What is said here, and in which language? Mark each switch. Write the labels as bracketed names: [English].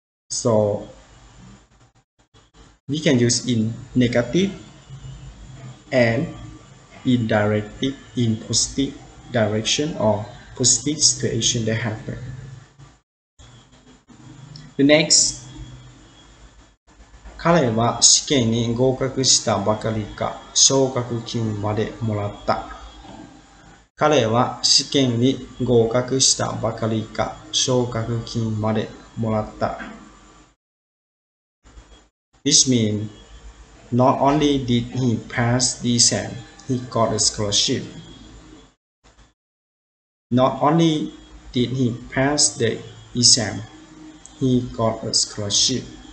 [English] So, we can use in negative and in directive, in positive direction or positive situation that happen. The next, [Japanese] 彼は試験に合格したばかりか奨学金までもらった。彼は試験に合格したばかりか奨学金までもらった。 [English] Which means, not only did he pass the exam, he got a scholarship. Not only did he pass the exam, he got a scholarship.